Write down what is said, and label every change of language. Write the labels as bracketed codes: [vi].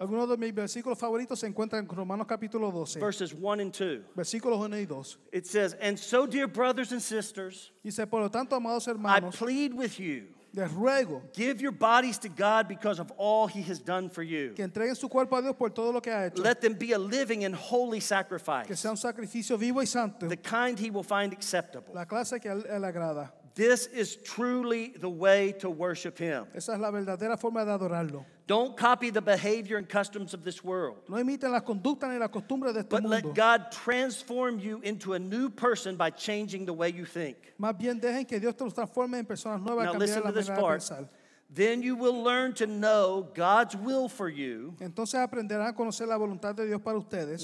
[es] Algunos de mis versículos favoritos se encuentran en Romanos capítulo 12. [en] Verses 1 and 2. [es] Versículos 1 y 2. [en] It says, and so dear brothers and sisters, [es] por lo tanto, amados hermanos, [en] I plead with you, [es] les ruego, [en] give your bodies to God because of all He has done for you. [es] Que entreguen su cuerpo a Dios por todo lo que ha hecho. [en] Let them be a living and holy sacrifice. [es] Que sea un sacrificio vivo y santo. [en] The kind He will find acceptable. [es] La clase que él agrada. [en] This is truly the way to worship Him. [es] Esa es la verdadera forma de adorarlo. [en] Don't copy the behavior and customs of this world. [es] No imiten las conductas ni las costumbres de este mundo. [en] But let God transform you into a new person by changing the way you think. [es] Más bien dejen que Dios te transforme en personas nuevas. [en] Now listen to this part. Then you will learn to know God's will for you. [es] Entonces aprenderán a conocer la voluntad de Dios para ustedes.